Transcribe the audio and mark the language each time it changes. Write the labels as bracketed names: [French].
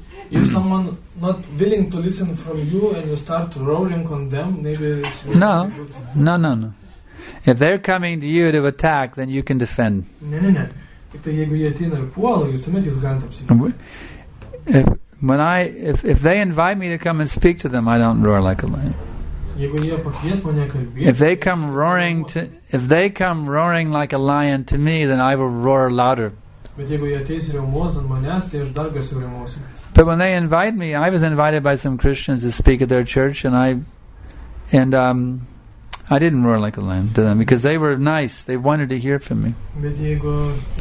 [English] If someone not willing to listen from you and you start roaring on them, maybe it's No. If they're coming to you to attack, then you can defend. [Lithuanian] Tai jeigu jie ateina ir puola, jūs tuomet jūs galite apsiginti. [English] If they invite me to come and speak to them, I don't roar like a lion. [Lithuanian] Jeigu jie pakvies mane kalbėti. [English] If they come roaring like a lion to me, then I will roar louder. [Lithuanian] Bet jeigu jie ateis riaumos ant manęs, tai aš dar garsiau riaumosiu. [English] But when they invite me, I was invited by some Christians to speak at their church and I didn't roar like a lion to them because they were nice. They wanted to hear from me.